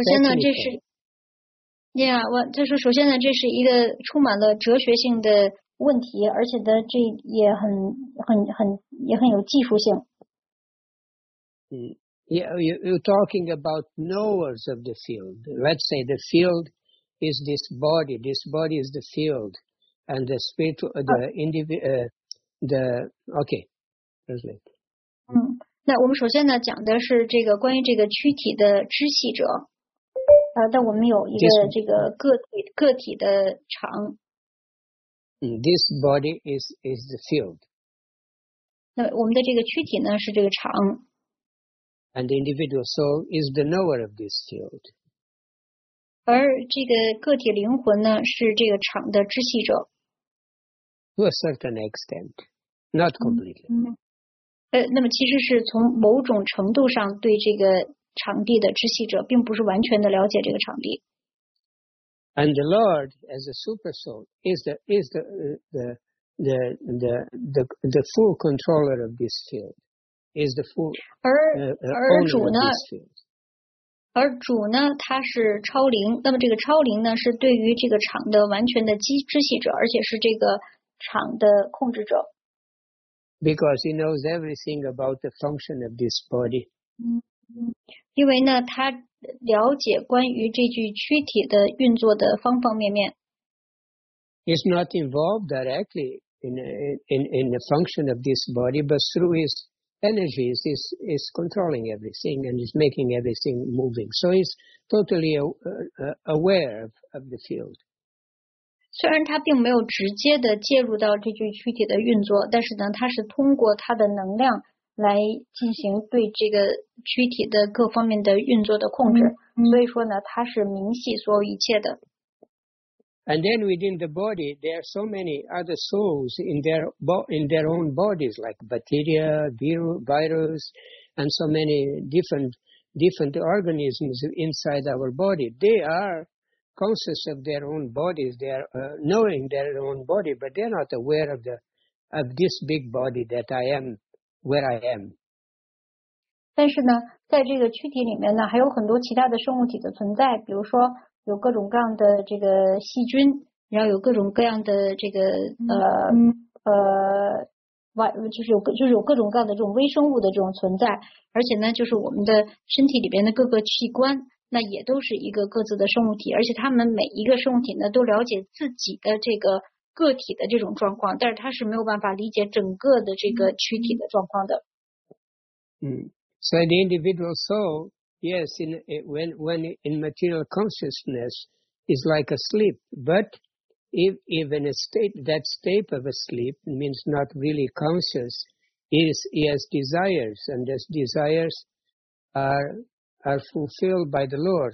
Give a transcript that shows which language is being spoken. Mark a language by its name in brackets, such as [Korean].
[Chinese] 首先呢，这是 ，Yeah， 我就是首先呢，这是一个充满了哲学性的问题，而且呢，这也很有技术性。 [English] Yeah, you're talking about knowers of the field. Let's say the field is this body. This body is the field, and the spirit, translate. [Chinese] 那我们首先呢讲的是这个关于这个躯体的知悉者但我们有一个这个个体的场 [English] This body is the field [Chinese] 那我们的这个躯体呢是这个场 [English] And the individual soul is the knower of this field [Chinese] 而这个个体灵魂呢是这个场的知悉者 [English] To a certain extent Not completely、 [Chinese] 那么其实是从某种程度上对这个场地的知悉者并不是完全的了解这个场地。 [English] And the Lord as a super soul is the full controller of this field. Is the full owner of this field. [Chinese] 而主呢，他是超灵。那么这个超灵呢，是对于这个场的完全的知悉者，而且是这个场的控制者。 [English] Because he knows everything about the function of this body. [Chinese] 因为呢，他了解关于这具躯体的运作的方方面面。 [English] He's not involved directly in the function of this body, but through his energy is controlling everything and is making everything moving. So he's totally aware of the field. [Chinese] 虽然他并没有直接的介入到这具躯体的运作，但是呢，他是通过他的能量来进行对这个躯体的各方面的运作的控制。所以说呢，他是明晰所有一切的。 [English] And then within the body, there are so many other souls in their own bodies, like bacteria, virus, and so many different organisms inside our body. They are conscious of their own bodies. They are knowing their own body, but they're not aware of this big body that I am, where I am. [Chinese] 但是呢，在这个躯体里面呢，还有很多其他的生物体的存在，比如说。有各种各样的这个细菌，然后有各种各样的这个就是有各种各样的这种微生物的这种存在，而且呢，就是我们的身体里边的各个器官，那也都是一个各自的生物体，而且他们每一个生物体呢，都了解自己的这个个体的这种状况，但是他是没有办法理解整个的这个躯体的状况的。 [English] So the individual soul. Yes, when in material consciousness is like a sleep, but even that state of a sleep means not really conscious. He has desires, and those desires are fulfilled by the Lord.